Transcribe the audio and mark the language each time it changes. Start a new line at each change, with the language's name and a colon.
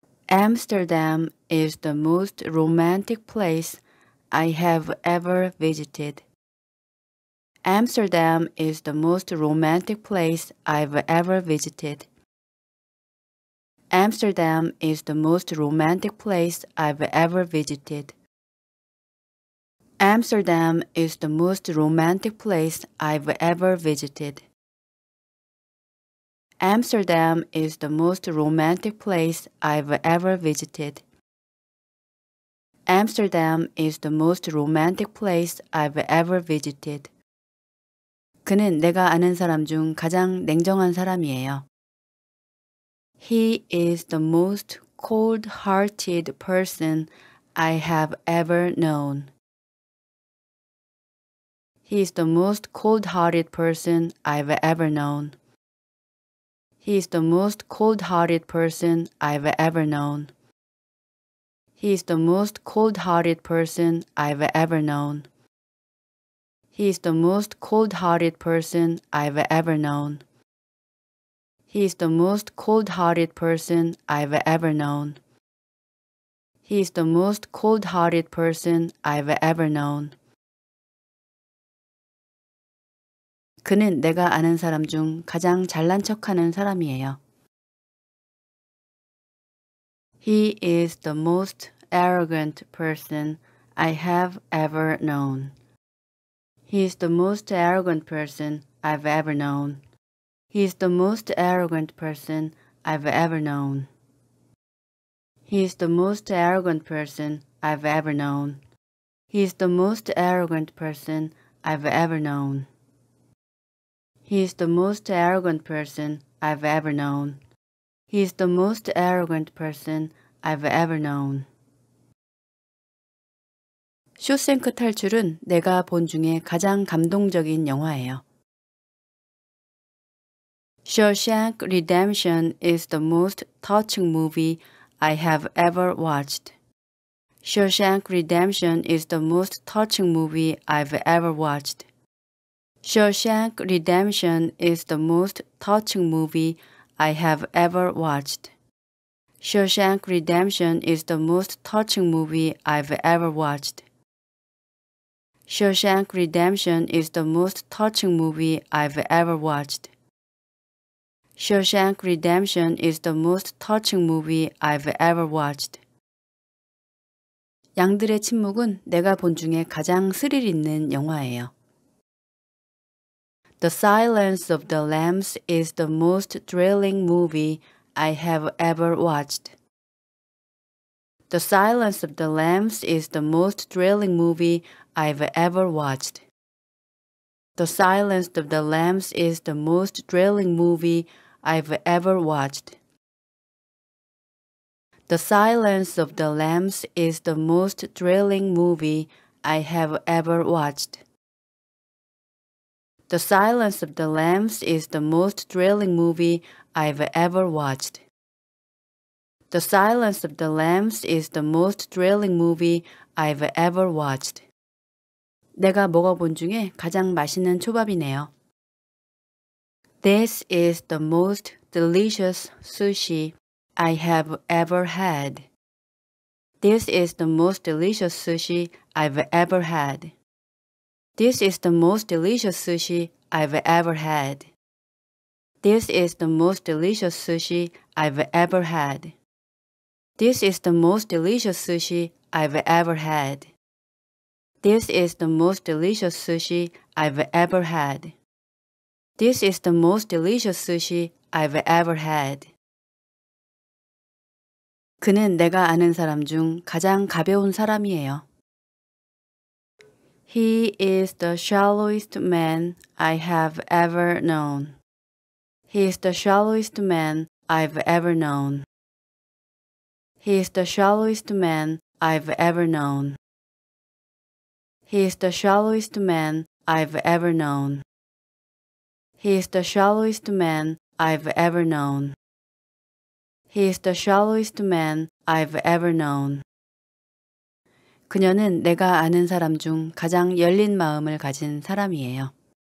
English: Amsterdam is the most romantic place I have ever visited. Amsterdam is the most romantic place I've ever visited. Amsterdam is the most romantic place I've ever visited. Amsterdam is the most romantic place I've ever visited. Amsterdam is the most romantic place I've ever visited. Amsterdam is the most romantic place I've ever visited.
Korean: 그는 내가 아는 사람 중 가장 냉정한 사람이에요.
English: He is the most cold-hearted person I have ever known. He is the most cold-hearted person I've ever known. He is the most cold-hearted person I've ever known. He is the most cold-hearted person I've ever known. He is the most cold-hearted person I've ever known. He is the most cold-hearted person I've ever known. He is the most cold-hearted person I've ever known.
Korean: 그는 내가 아는 사람 중 가장 잘난 척하는 사람이에요.
English: He is the most arrogant person I have ever known. He is the most arrogant person I've ever known. He is the most arrogant person I've ever known. He is the most arrogant person I've ever known. He is the most arrogant person I've ever known. He is the most arrogant person I've ever known. He is the most arrogant person I've ever known.
Korean: 쇼생크 탈출은 내가 본 중에 가장 감동적인 영화예요.
English: Shawshank Redemption is the most touching movie I have ever watched. Shawshank Redemption is the most touching movie I've ever watched. Shawshank Redemption is the most touching movie I have ever watched. Shawshank Redemption is the most touching movie I've ever watched. Shawshank Redemption is the most touching movie I've ever watched. Shawshank Redemption is the most touching movie I've ever watched.
Korean: 양들의 침묵은 내가 본 중에 가장 스릴 있는 영화예요.
English: The Silence of the Lambs is the most thrilling movie I have ever watched. The Silence of the Lambs is the most thrilling movie I've ever watched. The Silence of the Lambs is the most thrilling movie I've ever watched. The Silence of the Lambs is the most thrilling movie I have ever watched. The Silence of the Lambs is the most thrilling movie I've ever watched. The Silence of the Lambs is the most thrilling movie I've ever watched.
Korean: 내가 먹어본 중에 가장 맛있는 초밥이네요.
English: This is the most delicious sushi I have ever had. This is the most delicious sushi I've ever had. This is the most delicious sushi I've ever had. This is the most delicious sushi I've ever had. This is the most delicious sushi I've ever had. This is the most delicious sushi I've ever had. This is the most delicious sushi I've ever had.
Korean: 그는 내가 아는 사람 중 가장 가벼운 사람이에요.
English: He is the shallowest man I have ever known. He is the shallowest man I've ever known. He is the shallowest man I've ever known. He is the shallowest man I've ever known. He is the shallowest man I've ever known. He is the shallowest man I've ever known.
Korean: 그녀는 내가 아는 사람 중 가장 열린 마음을 가진 사람이에요.